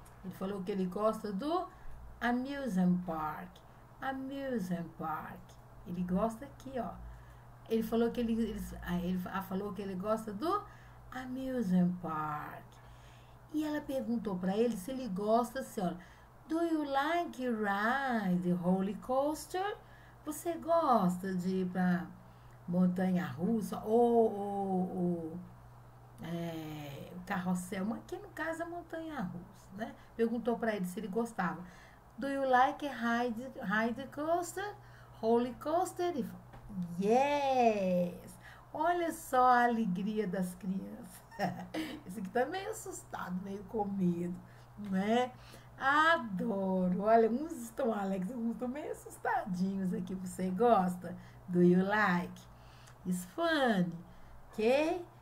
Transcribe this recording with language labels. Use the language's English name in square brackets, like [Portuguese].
[Portuguese] Ele falou que ele gosta do amusement park. Amusement park. Ele gosta aqui, ó. Ele falou que ele gosta do amusement park. E ela perguntou para ele se ele gosta assim, ó. [English] Do you like ride the roller coaster? [Portuguese] Você gosta de ir pra montanha-russa ou carrossel, aqui no caso é montanha-russa, né? Perguntou para ele se ele gostava. [English] Do you like ride coaster, roller coaster? Yes! [Portuguese] Olha só a alegria das crianças. Esse aqui tá meio assustado, meio com medo, né? Adoro! Olha, uns estão alegres, uns estão meio assustadinhos aqui. Você gosta? [English] Do you like? It's funny, ok?